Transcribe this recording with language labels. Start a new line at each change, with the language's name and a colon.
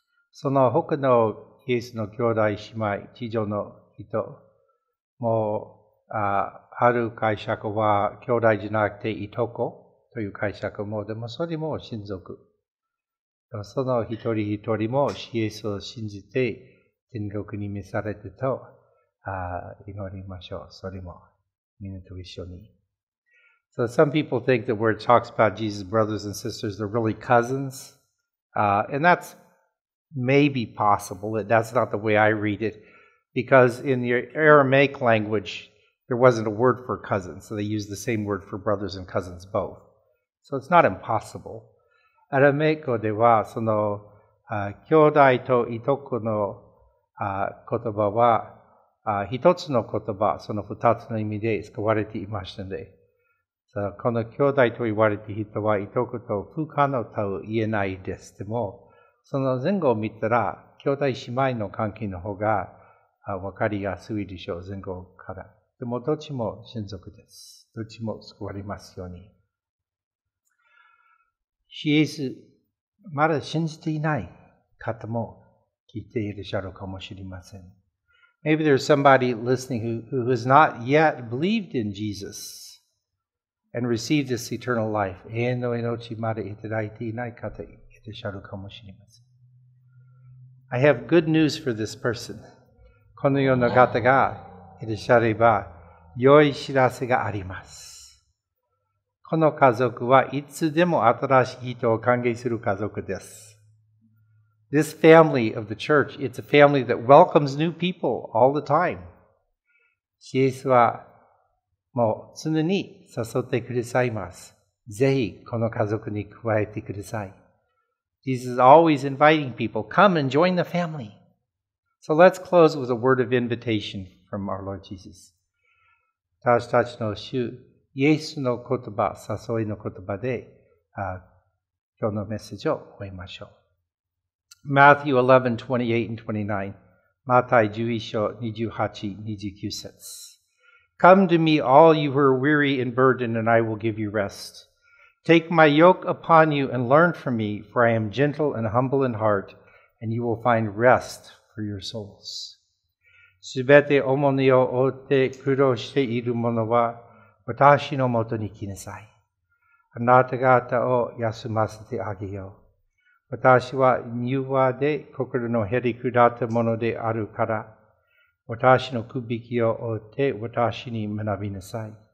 Japanese: その他のイエスの兄弟姉妹、地上の人も、ある解釈は兄弟じゃなくていとこという解釈も、でもそれも親族。その一人一人もイエスを信じて天国に召されてと祈りましょう。それもみんなと一緒に。
English: So some people think that where it talks about Jesus' brothers and sisters, they're really cousins. And that's maybe possible. That's not the way I read it. Because in the Aramaic language, there wasn't a word for cousins. So they used the same word for brothers and cousins both. So it's not impossible.
Japanese: アラメイコでは、その、兄弟といとこの、言葉は、一つの言葉、その二つの意味で使われていましたので、この兄弟と言われている人は、いとこと不可能とは言えないです。でも、その前後を見たら、兄弟姉妹の関係の方が、わかりやすいでしょう、前後から。でも、どっちも親族です。どっちも救われますように。シエス、まだ信じていない方も聞いていらっしゃるかもしれません。
English: Maybe there's somebody listening who has not yet believed in Jesus and received this eternal life.
Japanese: 永遠の命までいただいていない方いらっしゃるかもしれません。
English: I have good news for this person.
Japanese: このような方がいらっしゃれば、良い知らせがあります。この家族はいつでも新しい人を歓迎する家族です。
English: This family of the church, it's a family that welcomes new people all the time.
Japanese: イエスはもう常に誘ってくださいます。ぜひこの家族に加えてください。
English: Jesus is always inviting people, come and join the family. So let's close with a word of invitation from our Lord Jesus.
Japanese: 私たちの主イエスの言葉、誘いの言葉で、今日のメッセージを終えましょう。
English: Matthew 11:28 and 29.
Japanese: マタイ11章28、29節。
English: Come to me, all you who are weary and burdened, and I will give you rest. Take my yoke upon you and learn from me, for I am gentle and humble in heart, and you will find rest for your souls.
Japanese: すべて重荷を負って苦労している者は、私のもとに来なさい。あなた方を休ませてあげよう。私は柔和で心のへり下ったものであるから、私の首輝きを負って私に学びなさい。